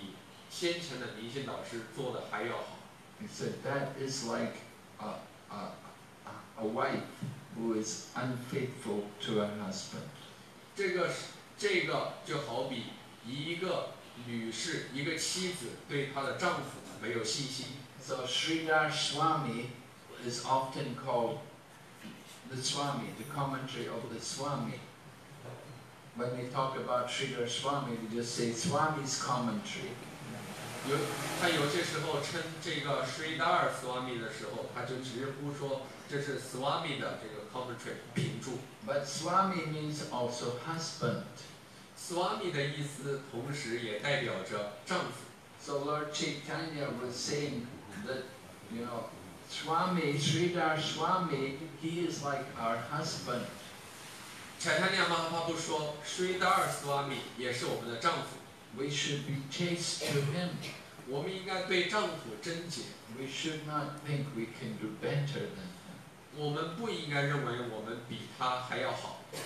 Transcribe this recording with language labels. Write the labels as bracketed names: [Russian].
[Chinese] 没有人应该觉得自己比先前的灵性导师做的还要好。 [English] He said that is like a wife who is unfaithful to her husband. [Chinese] 这个就好比一个 女士，一个妻子对她的丈夫没有信心。 [English] So Sridhar Swami is often called the Swami, the commentary of the Swami. When we talk about Sridhar Swami, we just say Swami's commentary. [Chinese] 他有些时候称这个 Sridhar Swami 的时候，他就直呼说这是 Swami 的这个 commentary 评注。 [English] But Swami means also husband. [Chinese] Swami 的意思同时也代表着丈夫. [English] So Lord Chaitanya was saying that, you know, Swami, Sridhar Swami, he is like our husband. [Chinese] Chaitanya Mahaprabhu说, Sridhar Swami 也是我们的丈夫. [English] We should be chaste to him. [Chinese] 我们应该对丈夫贞洁. [English] We should not think we can do better than him. [Chinese] 我们不应该认为我们比他还要好.